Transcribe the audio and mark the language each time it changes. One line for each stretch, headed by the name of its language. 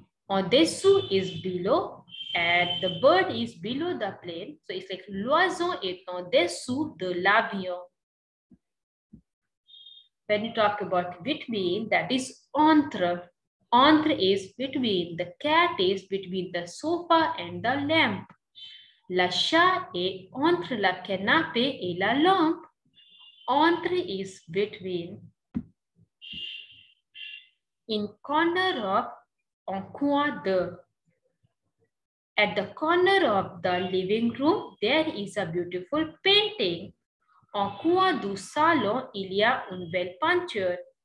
English: En dessous is below. And the bird is below the plane. So it's like
French: l'oiseau est en dessous de l'avion.
English: When you talk about between, that is entre. Entre is between. The cat is between the sofa and the lamp.
French: Le chat est entre la canapé et la lampe.
English: Entre is between. In corner of,
French: en coin de.
English: At the corner of the living room, there is a beautiful painting.
French: En coin du salon, il y a une belle peinture.